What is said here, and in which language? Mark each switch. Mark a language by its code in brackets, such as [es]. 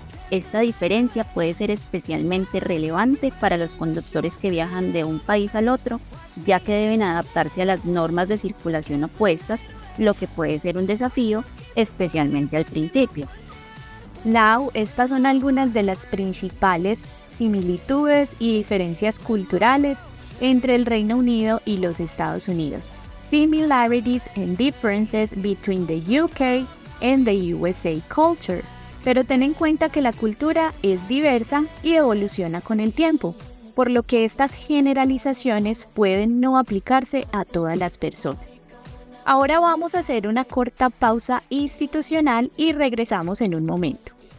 [es] Esta diferencia puede ser especialmente relevante para los conductores que viajan de un país al otro, ya que deben adaptarse a las normas de circulación opuestas, lo que puede ser un desafío, especialmente al principio. Lau, estas son algunas de las principales similitudes y diferencias culturales entre el Reino Unido y los Estados Unidos. [en] Similarities and differences between the UK and the USA culture. [es] Pero ten en cuenta que la cultura es diversa y evoluciona con el tiempo, por lo que estas generalizaciones pueden no aplicarse a todas las personas. Ahora vamos a hacer una corta pausa institucional y regresamos en un momento.